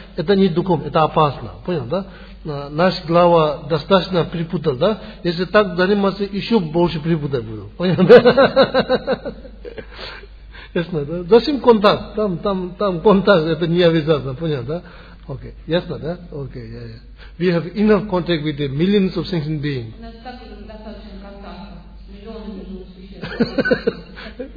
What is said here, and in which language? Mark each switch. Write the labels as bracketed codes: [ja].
[ru] Это не духом, это опасно, понял, да? Наш глава достаточно припутал, да? Если так заниматься, еще больше припутать буду. Понял, да? Ясно, да? Зачем контакт? Там контакт, это не обязательно, понял, да? Окей, ясно, да? Окей, я. [en] We have enough contact with the millions of sentient beings. [ru] Еще достаточно контакта с миллионами других контактов.